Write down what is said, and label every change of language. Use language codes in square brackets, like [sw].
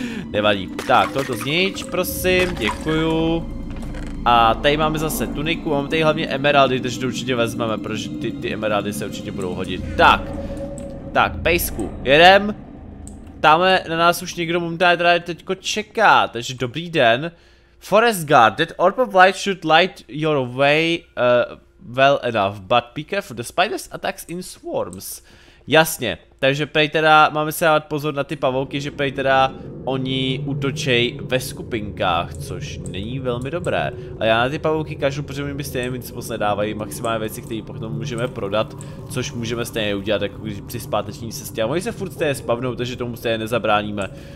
[cs] Nevadí, tak toto znič, prosím, děkuju. A tady máme zase tuniku, mám tady hlavně emeraldy, takže to určitě vezmeme, protože ty emeraldy se určitě budou hodit. Tak, tak, pejsku, jedem. Tamhle na nás už někdo momentálně teda teďko čeká, takže dobrý den. [en] Forest guard, that orb of light should light your way well enough, but be careful, the spiders attacks in swarms. [cs] Jasně, takže prej teda, máme se dávat pozor na ty pavouky, že prej teda oni útočej ve skupinkách, což není velmi dobré. A já na ty pavouky kažu, protože mi by stejně nic moc nedávají, maximálně věci, které potom můžeme prodat, což můžeme stejně udělat, jako když při zpáteční cestě. A oni se furt stejně spavnou, takže tomu stejně nezabráníme.